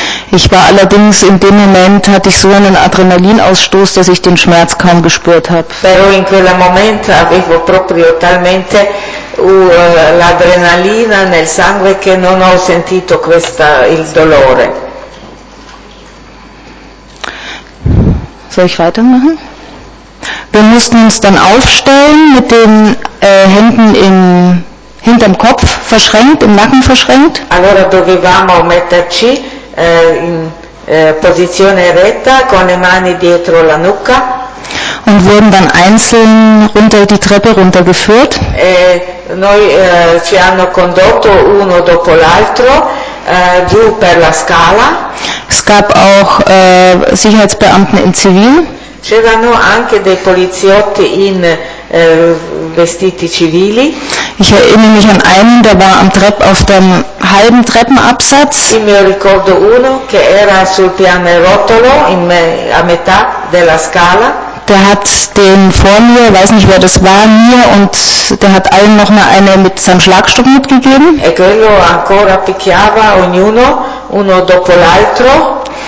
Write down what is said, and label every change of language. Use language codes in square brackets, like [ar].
[de] Ich war allerdings in dem Moment, hatte ich so einen Adrenalinausstoß, dass ich den Schmerz kaum gespürt habe. [it] Però in quel momento avevo proprio talmente l'adrenalina nel sangue che non ho sentito questa il dolore. [de] Soll ich weitermachen? Wir mussten uns dann aufstellen mit den Händen hinterm Kopf verschränkt, im Nacken verschränkt. [it] Allora dovevamo metterci in posizione retta con le mani dietro la nuca. [de] Und wurden dann einzeln runter die Treppe runtergeführt. [it] Noi ci hanno condotto uno dopo l'altro giù per la scala. [de] Es gab auch Sicherheitsbeamten in Zivil. [it] C'erano anche dei poliziotti in vestiti civili. [de] Ich erinnere mich an einen, der war auf dem halben Treppenabsatz. [it] Io mi ricordo uno che era sul pianerottolo a metà della scala. [de] der hat den vor mir, weiß nicht wer das war, mir, und der hat allen nochmal eine mit seinem Schlagstock mitgegeben. [it] E quello ancora picchiava ognuno, uno dopo l'altro.